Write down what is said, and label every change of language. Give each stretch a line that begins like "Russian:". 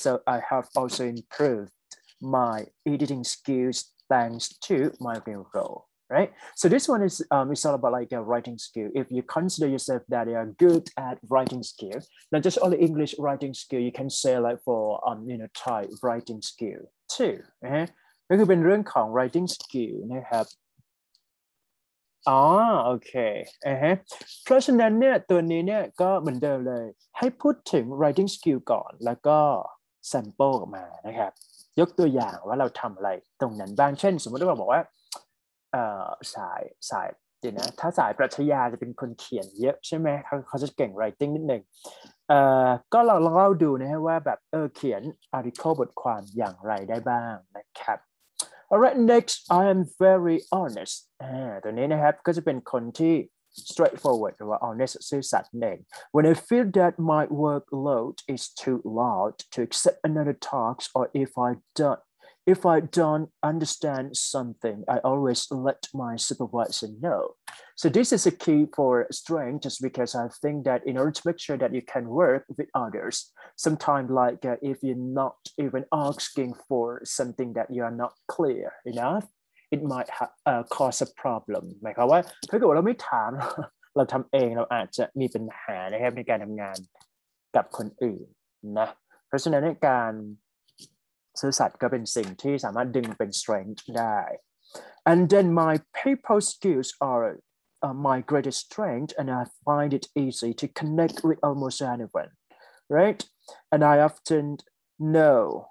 English: So I have also improved my editing skills thanks to my new role, right? So this one is all about like a writing skill. If you consider yourself that you are good at writing skill, not just only English writing skill, you can say like for, Thai writing skill too.
Thai: ก็คือเป็นเรื่องของ writing skill นะครับอ๋อโอเคเพราะฉะนั้นเนี่ยตัวนี้เนี่ยก็เหมือนเดิมเลยให้พูดถึง writing skill ก่อนแล้วก็ sample ออกมานะครับยกตัวอย่างว่าเราทำอะไรตรงนั้นบ้างเช่นสมมติเราบอกว่า สายเดี๋ยวนะถ้าสายปรัชญาจะเป็นคนเขียนเยอะใช่ไหมเขาจะเก่ง writing นิดหนึ่งก็ลองเล่าดูนะฮะว่าแบบเขียน article บทความอย่างไรได้บ้างนะครับ
English: Alright, next, I am very honest.
Thai: ตัวนี้นะครับก็จะเป็นคนที่ straightforward หรือว่า honest ซื่อสัตย์นั่น
English: When I feel that my workload is too large to accept another task or if I don't understand something, I always let my supervisor know. So this is a key for strength just because I think that in order to make sure that you can work with others, sometimes like if you're not even asking for something that you are not clear enough, it might cause a problem.
Thai: หมายความว่าถ้าเกิดเราไม่ถามเราทำเองเราอาจจะมีปัญหานะครับในการทำงานกับคนอื่นนะเพราะฉะนั้นการซื่อสัตย์ก็เป็นสิ่งที่สามารถดึงเป็น strength ได้
English: and then my people skills are my greatest strength and I find it easy to connect with almost anyone right and I often know